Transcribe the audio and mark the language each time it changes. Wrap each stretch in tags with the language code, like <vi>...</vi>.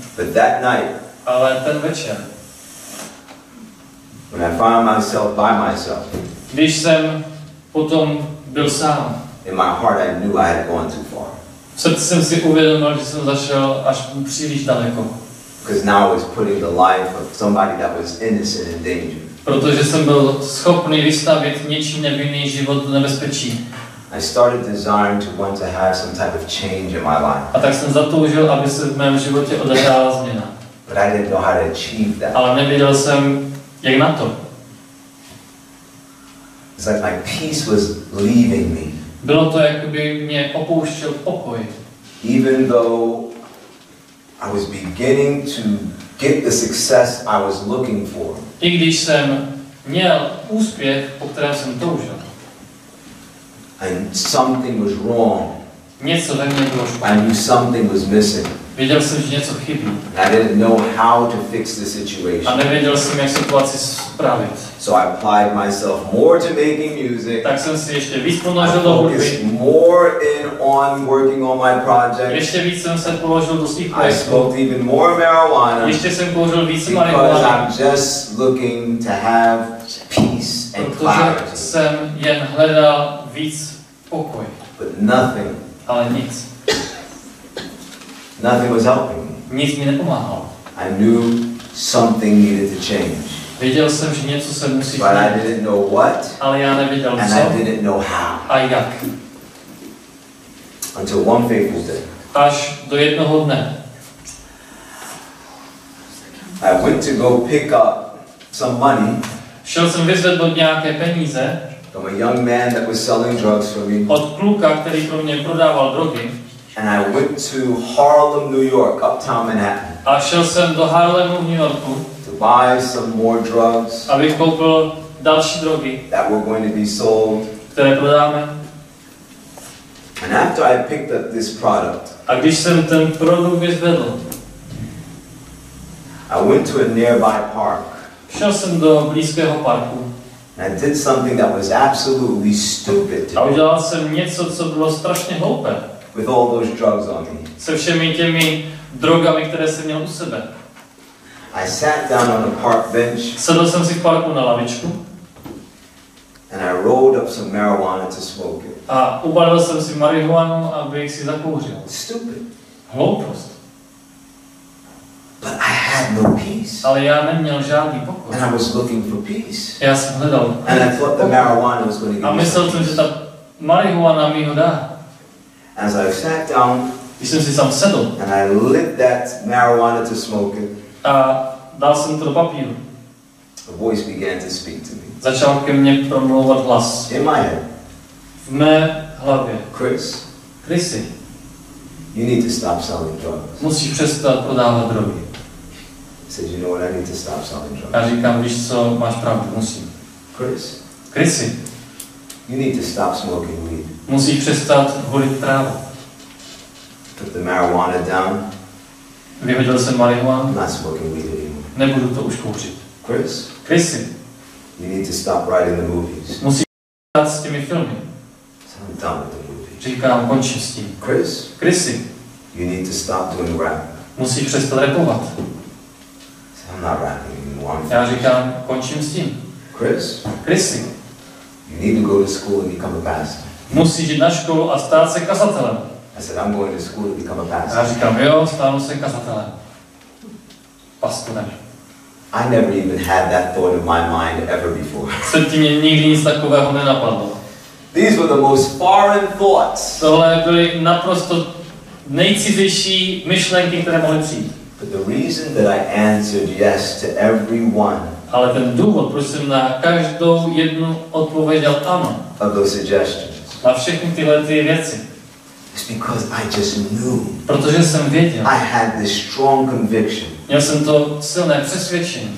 <en>But that night.</en> <cs>Ale ten večer.</cs> <en>When I found myself by myself.</en> <cs>Když jsem potom byl sám.</cs> <en>In my heart I knew I had gone too far.</en> <cs>V srdci jsem si uvědomil, že jsem zašel až příliš daleko.</cs> <en>Because now I was putting the life of somebody that was innocent in danger.</en> <cs>Protože jsem byl schopný vystavit něčí nevinný život do nebezpečí.</cs> <en>I started desiring to want to have some type of change in my life.</en> <cs>A tak jsem zatoužil, aby se v mém životě odehrála změna.</cs> <en>But I didn't know how to achieve that.</en> <cs>Ale nevěděl jsem, jak na to.</cs> <en>It's like my peace was leaving me.</en> <cs>Bylo to, jakoby mě opouštěl pokoj.</cs> <en>Even though I was beginning to get the success I was looking for.</en> <cs>I když jsem měl úspěch, po kterém jsem toužil.</cs> <en>And something was wrong.</en> <cs>Něco ve mně bylo špatně.</cs> <en>I knew something was missing.</en> <cs>Věděl jsem, že něco chybí.</cs> <en>I didn't know how to fix the situation.</en> <cs>A nevěděl jsem, jak situaci spravit.</cs> <en>So I applied myself more to making music.</en> <cs>Tak jsem si ještě víc ponořil do hudby.</cs> <en>More in on working on my project.</en> <cs>Ještě víc jsem se položil do svých projektů.</cs> <en>I smoked even more marijuana.</en> <cs>Ještě jsem položil víc marihuany.</cs> <en>Because I'm just looking to have peace and clarity.</en> <cs>Protože jsem jen hledal víc pokoj.</cs> <en>But nothing.</en> <cs>Ale nic.</cs> <en>Nothing was helping me.</en> <cs>Nic mi nepomáhalo.</cs> <en>I knew something needed to change.</en> <cs>Věděl jsem, že něco se musí změnit.</cs> <en>But I didn't know what.</en> <cs>Ale já nevěděl co.</cs> <en>And I didn't know how.</en> <cs>A jak.</cs> <en>Until one fateful day.</en> <cs>Až do jednoho dne.</cs> <en>I went to go pick up some money.</en> <cs>Šel jsem vyzvednout nějaké peníze.</cs> <en>From a young man that was selling drugs for me.</en> <cs>Od kluka, který pro mě prodával drogy.</cs> <en>And I went to Harlem, New York, uptown Manhattan.</en> <cs>A šel jsem do Harlemu v New Yorku.</cs> <en>To buy some more drugs.</en> <cs>Abych koupil další drogy.</cs> <en>That were going to be sold.</en> <cs>Které prodáme.</cs> <en>And after I picked up this product.</en> <cs>A když jsem ten produkt vyzvedl.</cs> <en>I went to a nearby park.</en> <cs>Šel jsem do blízkého parku.</cs> <en>And I did something that was absolutely stupid.</en> <cs>A udělal jsem něco, co bylo strašně hloupé.</cs> <en>With all those drugs on me.</en> <cs>Se všemi těmi drogami, které jsem měl u sebe.</cs> <en>I sat down on a park bench.</en> <cs>Sedl jsem si v parku na lavičku.</cs> <en>And I rolled up some marijuana to smoke it.</en> <cs>A ubalil jsem si marihuanu, abych si zakouřil.</cs> <en>Stupid.</en> <cs>Hloupost.</cs> <en>But I had no peace.</en> <cs>Ale já neměl žádný pokoj.</cs> <en>And I was looking for peace.</en> <cs>Já jsem hledal.</cs> <en>And I thought the marijuana was going to give me.</en> <cs>A myslel jsem, že ta marihuana mi ho dá.</cs> <en>As I sat down,</en> <cs>jsem si sám sedl,</cs> <en>and I lit that marijuana to smoke it.</en> <cs>A dal jsem to do papíru.</cs> <en>A voice began to speak to me.</en> <cs>Začal ke mně promlouvat hlas.</cs> <en>In my head.</en> <cs>V mé hlavě.</cs> <en>Chris.</en> <cs>Chrissy.</cs> <en>You need to stop selling drugs.</en> <cs>Musíš přestat prodávat drogy.</cs> <en>Says, you know what, I need to stop selling drugs.</en> <cs>Já říkám, víš co, máš pravdu, musím.</cs> <en>Chris.</en> <cs>Chrissy.</cs> <en>You need to stop smoking weed.</en> <cs>Musíš přestat holit trávu.</cs> <en>Put the marijuana down.</en> <cs>Vyhodil jsem marihuanu.</cs> <en>Not smoking weed anymore.</en> <cs>Nebudu to už kouřit.</cs> <en>Chris.</en> <cs>Chrissy.</cs> <en>You need to stop writing the movies.</en> <cs>Musíš přestat s těmi filmy.</cs> <en>So I'm done with the movies.</en> <cs>Říkám, končím s tím.</cs> <en>Chris.</en> <cs>Chrissy.</cs> <en>You need to stop doing rap.</en> <cs>Musíš přestat rapovat.</cs> <en>So I'm not rapping anymore.</en> <cs>Já říkám, končím s tím.</cs> <en>Chris.</en> <cs>Chrissy.</cs> <en>You need to go to school and become a pastor.</en> <cs>Musíš jít na školu a stát se kazatelem.</cs> <en>I said, I'm going to school to become a pastor.</en> <cs>Já říkám, jo, stánu se kazatelem. Pastorem.</cs> <en>I never even had that thought in my mind ever before.</en> <cs>Předtím mě nikdy nic takového nenapadlo.</cs> <en>These were the most foreign thoughts.</en> <cs>Tohle byly naprosto nejcizejší myšlenky, které mohly přijít.</cs> <en>But the reason that I answered yes to everyone.</en> <cs>Ale ten důvod, proč jsem na každou jednu odpověděl ano.</cs> <en>Of those suggestions.</en> <cs>Na všechny tyhle ty věci.</cs> <en>It's because I just knew.</en> <cs>Protože jsem věděl.</cs> <en>I had this strong conviction.</en> <cs>Měl jsem to silné přesvědčení.</cs>